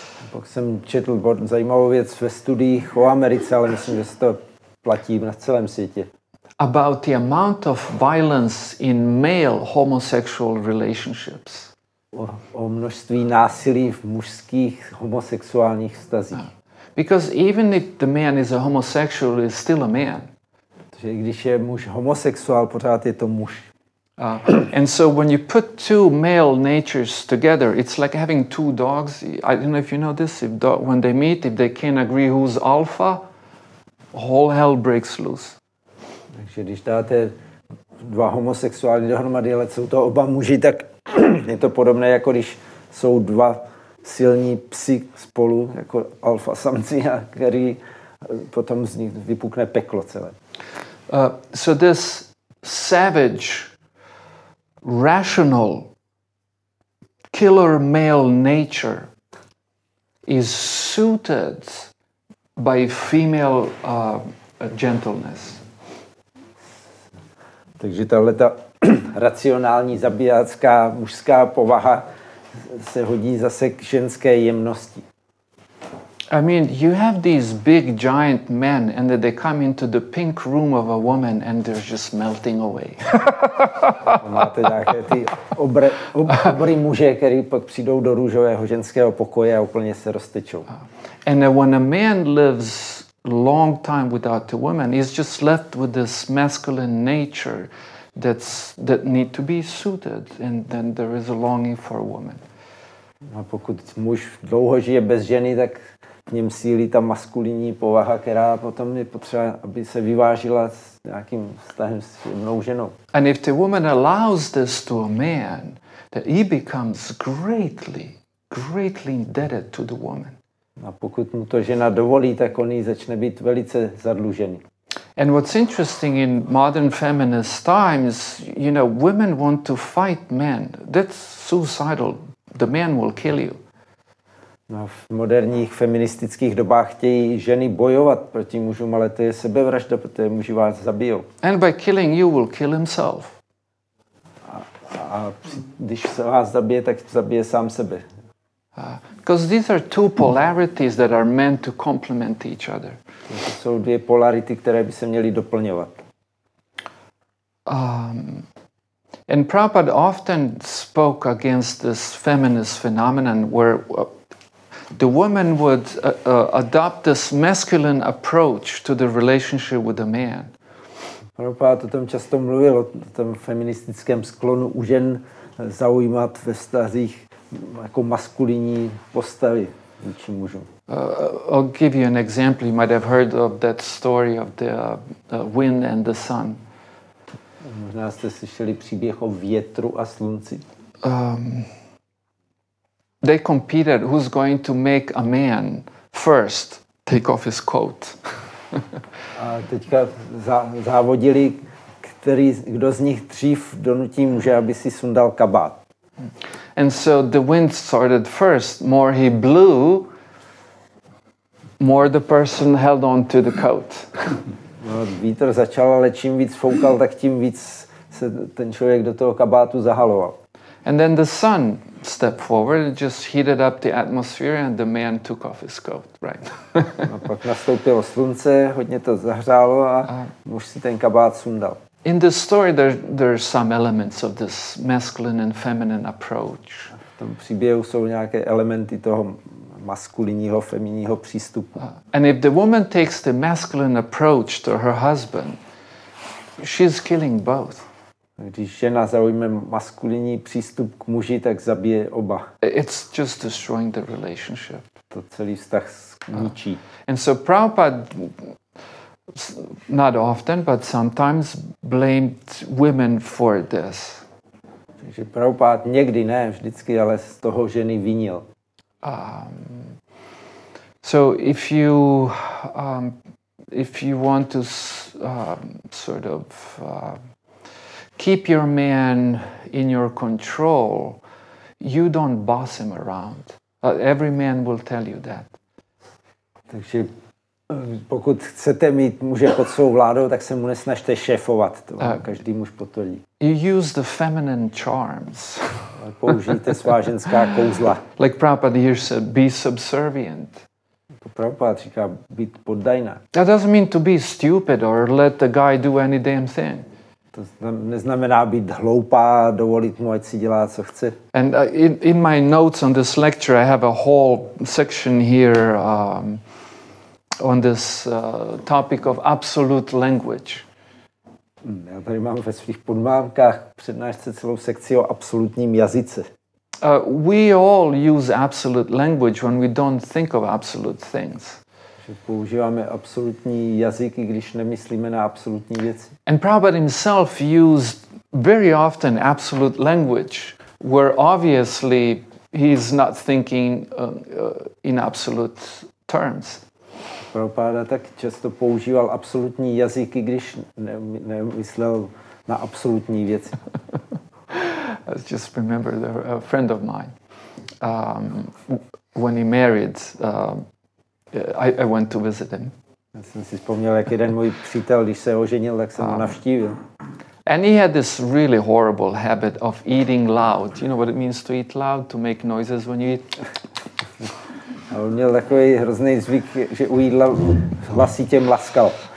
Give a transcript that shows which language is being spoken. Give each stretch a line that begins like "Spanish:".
Czech: Pak jsem četl zajímavou věc ve studiích o Americe, ale myslím, že se to platí na celém světě.
English: About the amount of violence in male homosexual relationships.
Czech: O množství násilí v mužských homosexuálních vztazích.
English: Because even if the man is a homosexual, he's still a man.
Czech: Protože když je muž homosexuál, pořád je to muž.
English: And so when you put two male natures together, it's like having two dogs. I don't know if you know this. If when they meet, if they can't agree who's alpha, whole hell breaks loose.
Czech: Takže když dáte dva homosexuální dohromady, ale jsou to oba muži, tak je to podobné, jako když jsou dva silní psi spolu, jako alfa samci, a který potom z nich vypukne peklo celé.
English: So this savage, rational, killer male nature is suited by female gentleness.
Czech: Takže tahle ta racionální zabijácká mužská povaha se hodí zase k ženské jemnosti.
English: I mean, you have these big giant men and then they come into the pink room of a woman and they're just melting away.
Czech: Máte nějaké ty obry muže, který pak přijdou do růžového ženského pokoje a úplně se roztečou.
English: And when a man lives long time without a woman, he's just left with this masculine nature that need to be suited, and then there is a longing for a woman.
Czech: A pokud muž dlouho žije bez ženy, tak v něm sílí ta maskulinní povaha, která potom je potřeba, aby se vyvážila s nějakým vztahem s jemnou ženou.
English: And if the woman allows this to a man, that he becomes greatly, greatly indebted to the woman.
Czech: A pokud mu to žena dovolí, tak on jí začne být velice zadlužený.
English: And what's interesting in modern feminist times, you know, women want to fight men. That's suicidal. The man will kill you.
Czech: No, v moderních feministických dobách chtějí ženy bojovat proti mužům, ale to je sebevražda, protože muži vás zabijou.
English: And by killing you will kill himself.
Czech: A když se vás zabije, tak zabije sám sebe.
English: Because these are two polarities that are meant to complement each other.
Czech: To jsou dvě polarity, které by se měly doplňovat.
English: And Prabhupada often spoke against this feminist phenomenon where the woman would adopt this masculine approach to the relationship with the man.
Czech: Prabhupada o tom často mluvil, o tom feministickém sklonu u žen zaujímat ve vztazích jako maskulinní postavy vůči mužům.
English: I'll give you an example. You might have heard of that story of the wind and the sun.
Czech: Možná jste slyšeli příběh o větru a slunci.
English: They competed who's going to make a man first take off his coat.
Czech: A teďka závodili, kdo z nich dřív donutí muže, aby si sundal kabát.
English: And so the wind started first. More he blew, more the person held on to the coat.
Czech: No, vítr začal, ale čím víc foukal, tak tím víc se ten člověk do toho kabátu zahaloval.
English: And then the sun stepped forward, it just heated up the atmosphere and the man took off his coat, right?
Czech: A pak nastoupilo slunce, hodně to zahřálo a muž si ten kabát sundal.
English: In the story there are some elements of this masculine and feminine approach.
Czech: V tom příběhu jsou nějaké elementy toho maskulinního, feminního přístupu.
English: And if the woman takes the masculine approach to her husband, she's killing both.
Czech: Když žena zaujme maskulinní přístup k muži, tak zabije oba.
English: It's just destroying the relationship.
Czech: To celý vztah zničí.
English: And so Prabhupada, not often, but sometimes, blamed women for this.
Czech: Takže Prabhupada někdy ne, vždycky, ale z toho ženy vinil.
English: So if you want to keep your man in your control, you don't boss him around. Every man will tell you that.
Czech: Takže pokud chcete mít muže pod svou vládou, tak se mu nesnažte šéfovat. To každý muž potvrdí.
English: You use the feminine charms.
Czech: Použijte svá ženská kouzla.
English: Like Prabhupada here said, be subservient.
Czech: To Prabhupada říká, být poddajná.
English: That doesn't mean to be stupid or let the guy do any damn thing.
Czech: To neznamená být hloupá, dovolit mu, ať si dělá, co chce.
English: And in my notes on this lecture, I have a whole section here on this topic of absolute language.
Czech: Já tady mám ve svých podmámkách přednášce celou sekci o absolutním jazyce.
English: We all use absolute language when we don't think of absolute things.
Czech: Že používáme absolutní jazyky, když nemyslíme na absolutní věci.
English: And Prabhupada himself used very often absolute language where obviously he's not thinking in absolute terms.
Czech: Prabhupada tak často používal absolutní jazyky, když nemyslel na absolutní věci.
English: I just remember a friend of mine, when he married, I went to visit him.
Czech: Já jsem si vzpomněl, jak jeden můj přítel, když se oženil, tak jsem ho navštívil.
English: And he had this really horrible habit of eating loud. You know what it means to eat loud? To make noises when you eat?
Czech: A on měl takový hrozný zvyk, že u jídla hlasitě mlaskal.